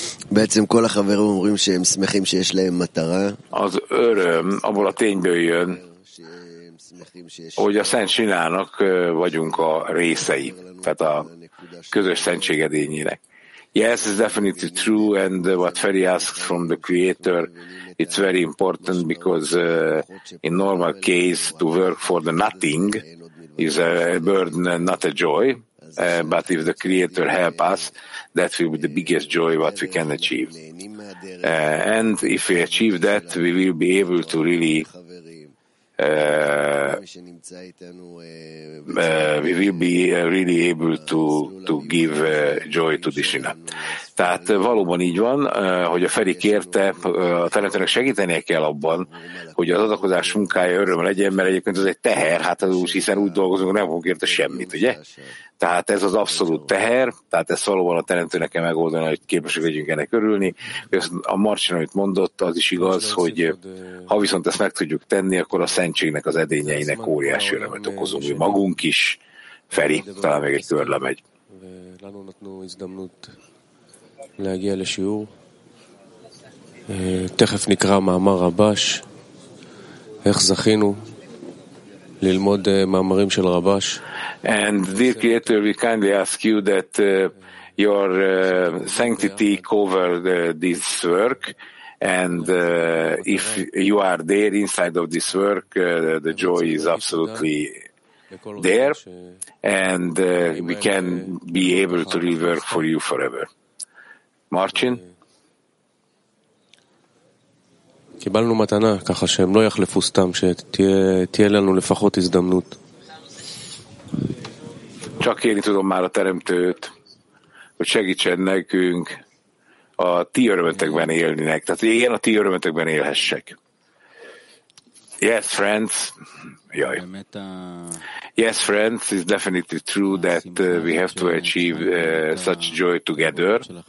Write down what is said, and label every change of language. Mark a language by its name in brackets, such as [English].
[Hebrew] בעצם כל החברים אומרים שהם שמחים שיש להם מטרה. [Hungarian] אז öröm, abból a tényből jön, hogy a Szent Sinának vagyunk a részei, tehát a közös szentségedényének. [English] Yes, it's definitely true, and what Feri asks from the Creator, it's very important because in normal case, to work for the nothing is a burden and not a joy, but if the Creator help us, that will be the biggest joy what we can achieve. And if we achieve that, we will be able to really we will be really able to give joy to the Shina. [Hungarian] Tehát valóban így van, hogy a Feri kérte, a teremtőnek segítenie kell abban, hogy az adakozás munkája öröm legyen, mert egyébként ez egy teher, hát az úgy, hiszen úgy dolgozunk, nem fogunk érte semmit, ugye? Tehát ez az abszolút teher, tehát ezt valóban a teremtőnek kell megoldani, hogy képesek legyünk ennek örülni. A Marcin, amit mondott, az is igaz, hogy ha viszont ezt meg tudjuk tenni, akkor a szentségnek az edényeinek óriási örömet okozunk. Mi magunk is, Feri, talán még egy körle megy. [Hebrew] להגיע לשיעור תכף נקרא מאמר רבש איך זכינו ללמוד מאמרים של רבש [English] and dear creator we kindly ask you that your sanctity cover this work and if you are there inside of this work the joy is absolutely there and we can be able to really work for you forever. [Hebrew] מרצ'ין? קיבלנו מתנה ככה שהם לא יחלפו סתם שתהיה לנו לפחות הזדמנות. [Hungarian] Csak én tudom már a teremtőt, hogy segítsen nekünk a ti örömetekben élni nek. Tehát én a ti örömetekben élhessek. [English] Yes, friends. Jaj. Yes, friends, it's definitely true that we have to achieve such joy together.